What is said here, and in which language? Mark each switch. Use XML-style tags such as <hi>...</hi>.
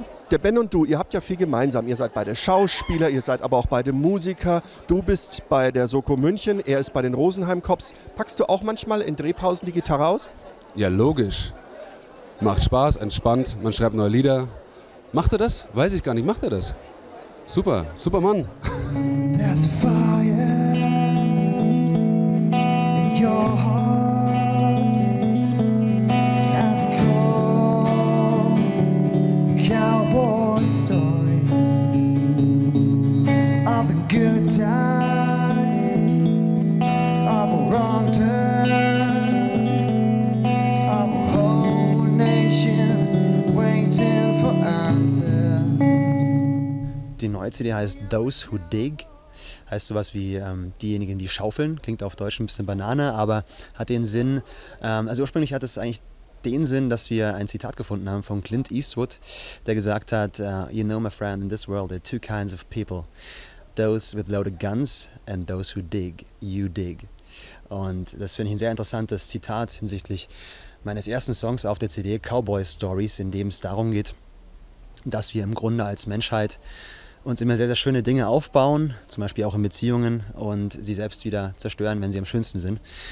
<de>Der Ben und du, ihr habt ja viel gemeinsam. Ihr seid beide Schauspieler, ihr seid aber auch beide Musiker. Du bist bei der Soko München, er ist bei den Rosenheim Cops. Packst du auch manchmal in Drehpausen die Gitarre aus? Ja, logisch. Macht Spaß, entspannt, man schreibt neue Lieder. Macht er das? Weiß ich gar nicht, macht er das? Super, super Mann.</de> <en>There's a fire in your heart. As a cold cowboy stories of the good times, of the wrong turns, of a whole nation waiting for answers.</en> <de>Die neue CD heißt Those Who Dig. Heißt sowas wie diejenigen, die schaufeln. Klingt auf Deutsch ein bisschen Banane, aber hat den Sinn. Also ursprünglich hat es eigentlich den Sinn, dass wir ein Zitat gefunden haben von Clint Eastwood, der gesagt hat,</de> <en>you know my friend, in this world there are two kinds of people. Those with loaded guns and those who dig, you dig.</en> <de>Und das finde ich ein sehr interessantes Zitat hinsichtlich meines ersten Songs auf der CD, Cowboy Stories, in dem es darum geht, dass wir im Grunde als Menschheit uns immer sehr, sehr schöne Dinge aufbauen, zum Beispiel auch in Beziehungen, und sie selbst wieder zerstören, wenn sie am schönsten sind.</de>